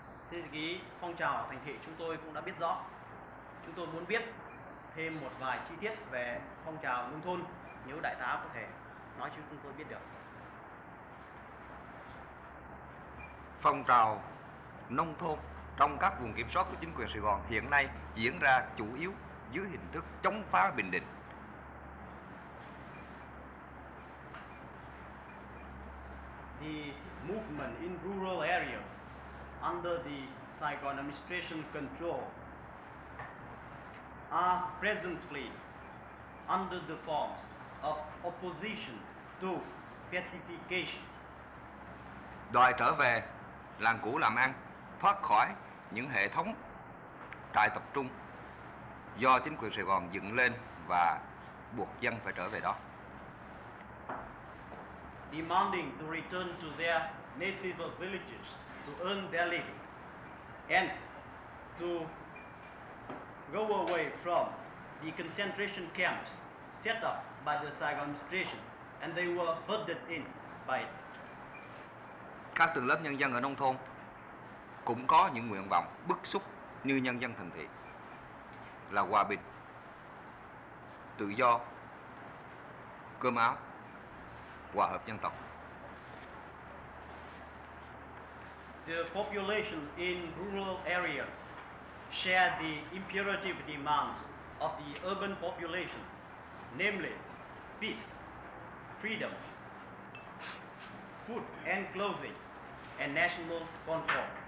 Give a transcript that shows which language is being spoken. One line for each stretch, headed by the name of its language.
Vietnamese: Thế thì cái phong trào thành thị chúng tôi cũng đã biết rõ. Chúng tôi muốn biết thêm một vài chi tiết về phong trào nông thôn, nếu đại tá có thể nói cho chúng tôi biết được. Phong trào nông thôn trong các vùng kiểm soát của chính quyền Sài Gòn hiện nay diễn ra chủ yếu dưới hình thức chống phá bình định.
English: The movement in rural areas under the Saigon administration control are presently under the forms of opposition to pacification.
Vietnamese: Đòi trở về làng cũ làm ăn, thoát khỏi những hệ thống trại tập trung do chính quyền Sài Gòn dựng lên và buộc dân phải trở về đó.
English: Demanding to return to their native villages to earn their living and to go away from the concentration camps set up by the Saigon administration, and they were herded in by it.
Vietnamese: Các tầng lớp nhân dân ở nông thôn cũng có những nguyện vọng bức xúc như nhân dân thành thị là hòa bình, tự do, cơm áo, hòa hợp dân tộc.
English: The population in rural areas share the imperative demands of the urban population, namely peace, freedom, food and clothing, and national control.